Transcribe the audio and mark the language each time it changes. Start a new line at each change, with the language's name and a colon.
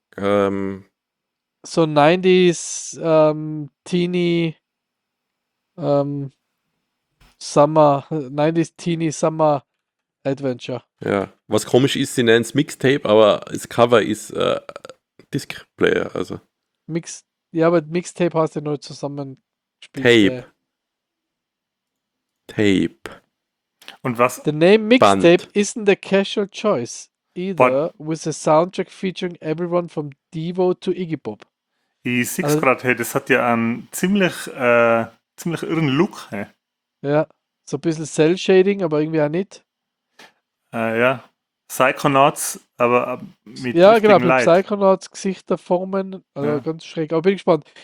English: So 90s Teenie Summer 90s Teenie Summer Adventure.
German: Ja, was komisch ist, sie nennen es Mixtape, aber das Cover ist Disc Player, also. Ja, aber Mixtape hast du nur zusammen gespielt. Tape. Tape. Und was?
English: The name Mixtape isn't a casual choice. Either with a soundtrack featuring everyone from Devo to Iggy Pop.
German: Ich sehe es gerade, hey, das hat ja einen ziemlich irren Look. Hey. Ja, so ein bisschen Cell-Shading, aber irgendwie auch nicht. Ja, Psychonauts, aber mit ja, genau, mit Psychonauts, Gesichterformen, also ganz schräg, aber bin gespannt.